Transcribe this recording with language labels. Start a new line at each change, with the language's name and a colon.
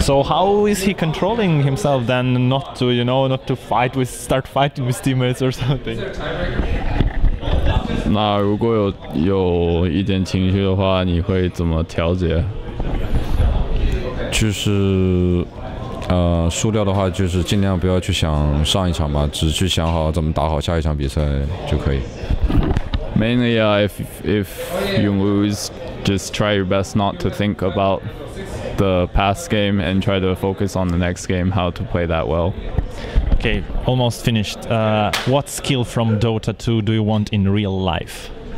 English: So how is he controlling himself then, not to, you know, not to fight with, start fighting with teammates or something?
Chinese: 那如果有一点情绪的话，你会怎么调节？就是输掉的话，就是尽量不要去想上一场吧，只去想好怎么打好下一场比赛就可以。
English: Mainly, if you lose, just try your best not to think about the past game and try to focus on the next game, how to play that well. Okay, almost finished. What skill from Dota 2 do you want in real life?